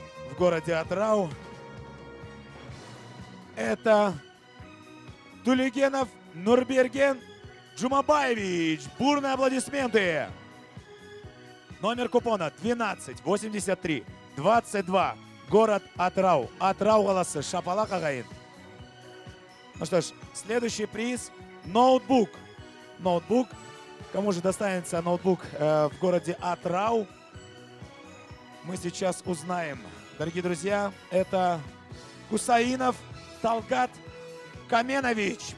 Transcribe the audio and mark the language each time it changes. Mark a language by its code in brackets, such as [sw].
[ru] В городе Атырау. Это Тулегенов Нурберген Джумабаевич. Бурные аплодисменты. Номер купона 12-83-22, город Атырау. [kk] Атырау қаласы, шапалақ ағайын. [ru] Ну что ж, следующий приз — ноутбук. Ноутбук. Кому же достанется ноутбук в городе Атырау, мы сейчас узнаем. Дорогие друзья, это Кусаинов Талгат Каменович.